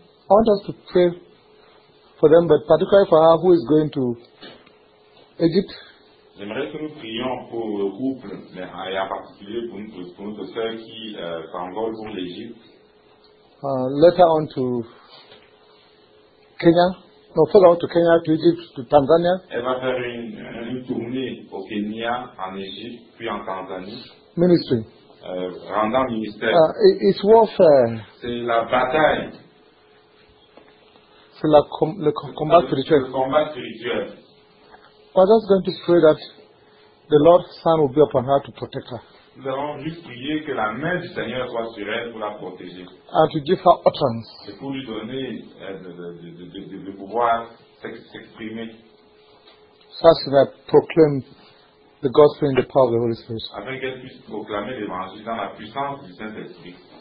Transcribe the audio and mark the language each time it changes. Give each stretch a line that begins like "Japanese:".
English: I want us to pray for them, but particularly for her who is going to Egypt.
French: J'aimerais que nous prions pour le couple, mais en particulier pour notre sœur qui s'envole pour l'Égypte.
English: Later on to Kenya. No, follow on to Kenya, to Egypt, to Tanzania.
French: Elle va faire une tournée au Kenya, en Égypte, puis en Tanzanie.
English: Ministry.
French: Rendant ministère.
English: It's warfare.
French: C'est la bataille. C'est le combat spirituel. Le combat spirituel.
English: We're just going to pray that the Lord's hand will be upon her to protect her.
French: Nous allons juste prier que la main du Seigneur soit sur elle pour la protéger.
English: And to give her utterance.
French: Et pour lui donner de pouvoir s'exprimer.
English: So as to proclaim the gospel in the power of the Holy Spirit.
French: Afin qu'elle puisse proclamer l'évangile dans la puissance du Saint-Esprit.